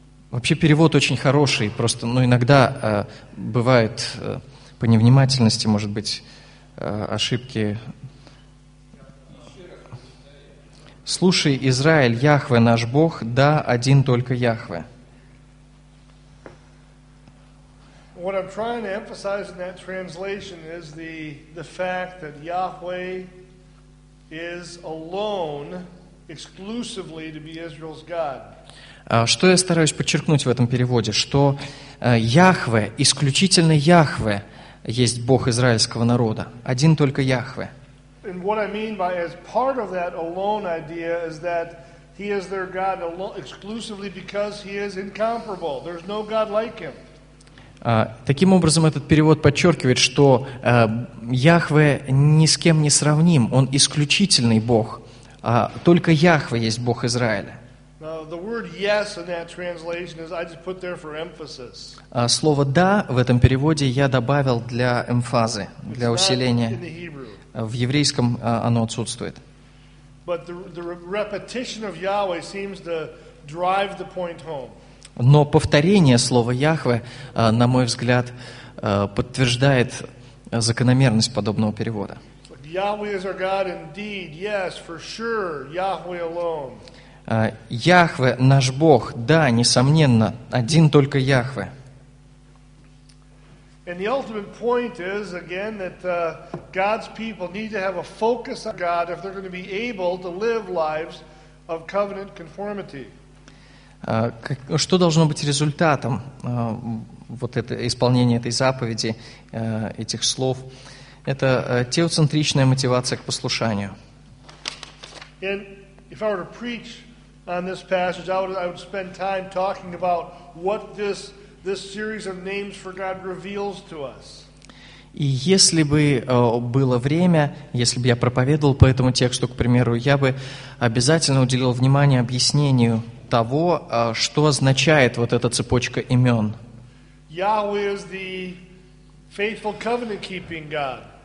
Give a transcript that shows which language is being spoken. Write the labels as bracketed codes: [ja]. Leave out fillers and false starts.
[ru] Вообще, перевод очень хороший, просто, ну, иногда бывают по невнимательности, может быть, ошибки. Слушай, Израиль, Яхве наш Бог, да, один только Яхве. [en] What I'm trying to emphasize in that translation is the fact that Yahweh is alone, exclusively to be Israel's God. [ru] Что я стараюсь подчеркнуть в этом переводе, что Яхве, исключительно Яхве, есть Бог израильского народа, один только Яхве. [en] And what I mean by as part of that alone idea is that He is their God alone, exclusively because He is incomparable. There's no God like Him. [ru] Таким образом, этот перевод подчеркивает, что Яхве ни с кем не сравним, Он исключительный Бог. Только Яхве есть Бог Израиля. [en] The word yes in that translation is I just put there for emphasis. [ru] Слово да в этом переводе я добавил для эмфазы, для усиления. В еврейском оно отсутствует. [en] But the repetition of Yahweh seems to drive the point home. [ru] Но повторение слова Яхве, на мой взгляд, подтверждает закономерность подобного перевода. [en] Yahweh is our God indeed. Yes, for sure. Yahweh alone. [ru] Яхве наш Бог, да, несомненно, один только Яхве. [en] And the ultimate point is again that God's people need to have a focus on God if they're going to be able to live lives of covenant conformity. [ru] Что должно быть результатом вот это исполнения этой заповеди, этих слов? Это теоцентричная мотивация к послушанию. [en] And if I were to preach on this passage, I would spend time talking about what this series of names for God reveals to us. [ru] И если бы было время, если бы я проповедовал по этому тексту, к примеру, я бы обязательно уделил внимание объяснению того, что означает вот эта цепочка имен. [en] Yahweh is the faithful covenant-keeping God.